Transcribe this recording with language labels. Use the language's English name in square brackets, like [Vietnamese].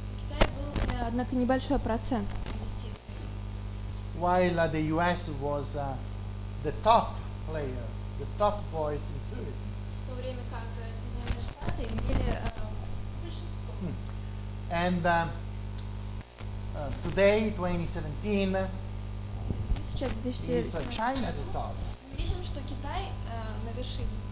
[Russian] Китай был однако небольшой процент. [English] While the US was the top player, the top voice in tourism. [Russian] В то время как Соединенные Штаты имели большинство. [English] And today, 2017, [Russian] сейчас, [English] is China the top. [Russian] Мы видим, что Китай на вершине.